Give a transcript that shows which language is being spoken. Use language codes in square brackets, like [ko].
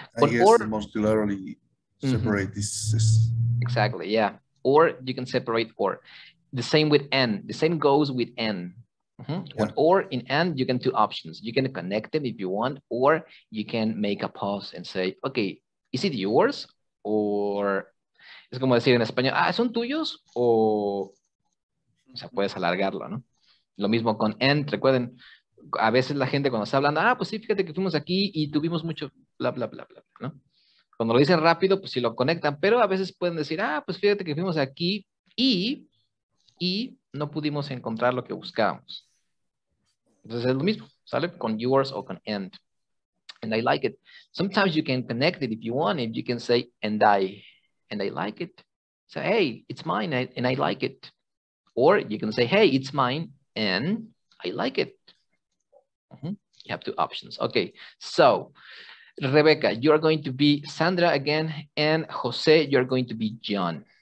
[en] But I guess or, the most clearly separate this. Exactly, yeah. Or you can separate or. The same with N. The same goes with N. Mm-hmm. Yeah. Or in N, you can two options. You can connect them if you want, or you can make a pause and say, okay, is it yours? [es] Or es como decir en español, ah, son tuyos? O sea, puedes alargarlo, ¿no? Lo mismo con N, recuerden, a veces la gente cuando está hablando, ah, pues sí, fíjate que fuimos aquí y tuvimos mucho bla, bla, bla, bla, ¿no? Cuando lo dicen rápido, pues sí lo conectan, pero a veces pueden decir, ah, pues fíjate que fuimos aquí y no pudimos encontrar lo que buscábamos. Entonces es lo mismo, ¿sale? Con yours o con and. [en] And I like it. Sometimes you can connect it if you want, if you can say, and I like it. So, hey, it's mine and I like it. Or you can say, hey, it's mine and I like it. Mm-hmm. You have two options. Okay, so Rebecca, you are going to be Sandra again, and Jose, you're going to be John.